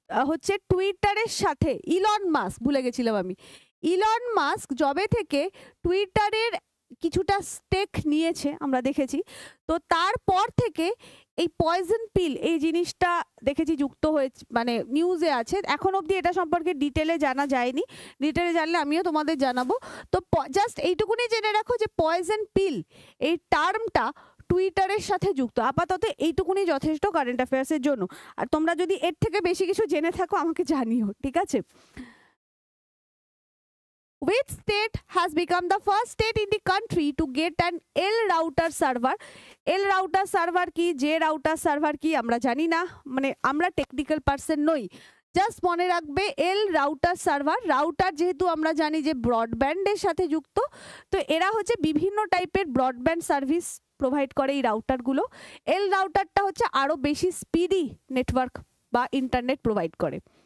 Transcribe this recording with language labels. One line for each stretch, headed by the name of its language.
Bangla: হচ্ছে টুইটারের সাথে ইলন মাস্ক, ভুলে গেছিলাম আমি, ইলন মাস্ক জবে থেকে টুইটারের কিছুটা স্টেক নিয়েছে আমরা দেখেছি, তো তারপর থেকে এই পয়জন পিল এই জিনিসটা দেখেছি যুক্ত হয়েছে, মানে নিউজে আছে, এখন অবধি এটা সম্পর্কে ডিটেলে জানা যায়নি, ডিটেলে জানলে আমিও তোমাদের জানাবো। তো জাস্ট এইটুকুনি জেনে রাখো যে পয়জন পিল এই টার্মটা টুইটারের সাথে যুক্ত, আপাতত এইটুকুনি যথেষ্ট কারেন্ট অ্যাফেয়ার্সের জন্য, আর তোমরা যদি এর থেকে বেশি কিছু জেনে থাকো আমাকে জানিও, ঠিক আছে।
English: Which state has become the first state in the country to get an L router server?
Bangla: L router server কি, J router server কি আমরা জানি না, মানে আমরা টেকনিক্যাল পারসন নই, জাস্ট মনে রাখবে L router server, router যেহেতু আমরা জানি যে ব্রডব্যান্ডের সাথে যুক্ত, তো এরা হচ্ছে বিভিন্ন টাইপের ব্রডব্যান্ড সার্ভিস প্রোভাইড করে এই রাউটারগুলো, L রাউটারটা হচ্ছে আরও বেশি স্পিডি নেটওয়ার্ক বা ইন্টারনেট প্রোভাইড করে।